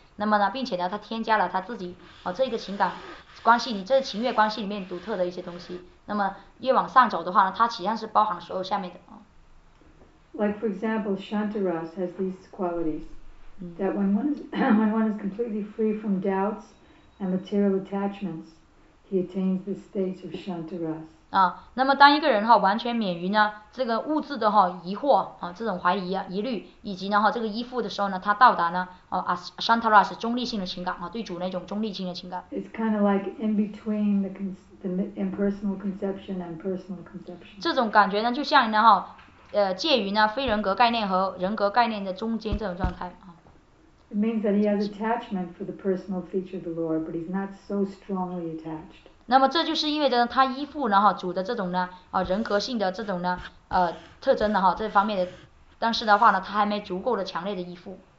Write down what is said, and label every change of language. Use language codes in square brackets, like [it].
[zh] 那么呢，并且呢，它添加了它自己啊这个情感关系里，这个情愿关系里面独特的一些东西。那么越往上走的话呢，它实际上是包含所有下面的啊。 [en] Like for example, Shanta ras has these qualities that when one is completely free from doubts and material attachments, he attains the state of Shanta ras. [zh] 啊，那么当一个人哈完全免于呢这个物质的哈疑惑啊这种怀疑啊疑虑以及呢哈这个依附的时候呢，他到达呢Shantara 是中立性的情感啊，对主那种中立性的情感。 [en] It's kind of like in between the impersonal conception and personal conception. [zh] 这种感觉呢，就像呢哈介于呢非人格概念和人格概念的中间这种状态啊。 [en] It means that he has attachment for the personal feature of the Lord, but he's not so strongly attached. [zh] 那么这就是意味着他依附呢哈主的这种呢人格性的这种呢特征的哈这方面的，但是的话呢他还没足够的强烈的依附。